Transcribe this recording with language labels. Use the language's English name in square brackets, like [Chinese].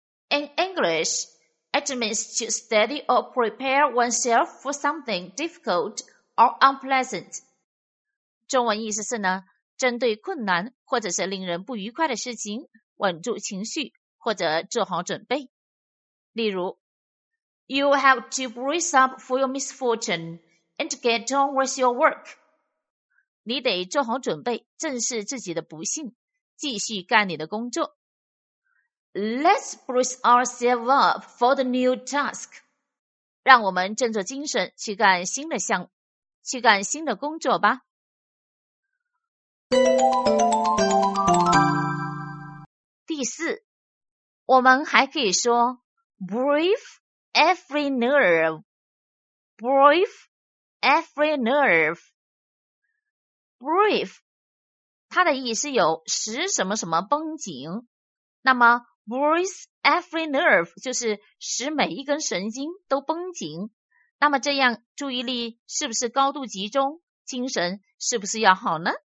[English] In English, it means to study or prepare oneself for something difficult or unpleasant. [Chinese] 中文意思是呢，针对困难或者是令人不愉快的事情稳住情绪或者做好准备。例如 [English] You have to brace up for your misfortune and get on with your work. [Chinese] 你得做好准备，正视自己的不幸，继续干你的工作。 [English] Let's brace ourselves up for the new task. [Chinese] 让我们振作精神去干新的项目，去干新的工作吧。第四，我们还可以说 brave。 [English] Every nerve, brave, every nerve, brave, [Chinese] 它的意思有使什么什么绷紧，那么 [English] brace every nerve [Chinese] 就是使每一根神经都绷紧，那么这样注意力是不是高度集中，精神是不是要好呢？